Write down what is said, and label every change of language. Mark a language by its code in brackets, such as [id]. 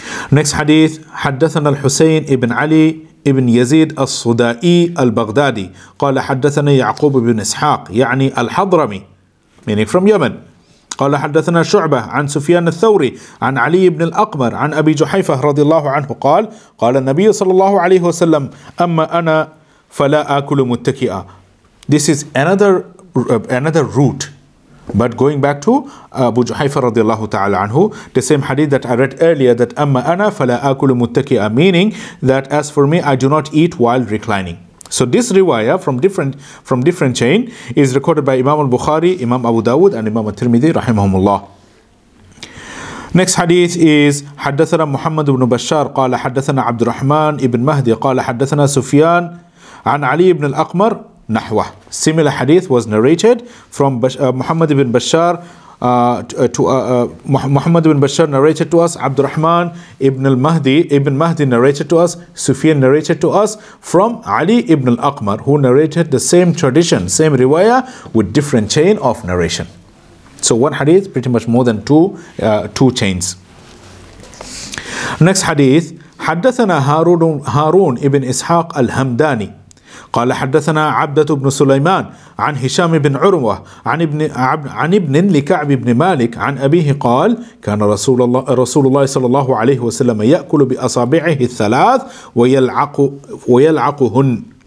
[en] Next hadith, [ar] حدثنا الحسين ابن علي ابن يزيد الصدائي البغدادي قال حدثنا يعقوب بن إسحاق يعني الحضرمي, [en] meaning from Yemen. [ar] قال حدثنا شعبة عن سفيان الثوري عن علي بن الأقمر عن أبي جحيفة رضي الله عنه قال قال النبي صلى الله عليه وسلم أما أنا فلا أكل متكئا. [en] This is another route. But going back to Abu Juhayfa radiallahu ta'ala anhu, the same hadith that I read earlier, that amma ana fala akulu muttaki'a, meaning that as for me, I do not eat while reclining. So this riwayah from different chain is recorded by Imam al-Bukhari, Imam Abu Dawud, and Imam At-Tirmidhi rahimahumullah. Next hadith is [ar] حدثنا محمد بن بشار قال حدثنا عبد الرحمن بن مهدي قال حدثنا سفيان عن علي بن الأقمر نحوة. [en] Similar hadith was narrated from Muhammad ibn Bashar Muhammad ibn Bashar narrated to us, Abdurrahman ibn al-Mahdi, ibn Mahdi narrated to us, Sufyan narrated to us from Ali ibn al-Aqmar, who narrated the same tradition, same riwayah with different chain of narration. So one hadith pretty much more than two chains. Next hadith, [ar] حدثنا هارون ibn Ishaq al-Hamdani قال حدثنا عبدة بن سليمان عن هشام بن عروة عن ابن لكعب بن مالك عن أبيه قال كان رسول الله صلى الله عليه وسلم يأكل بأصابعه الثلاث ويلعقهن.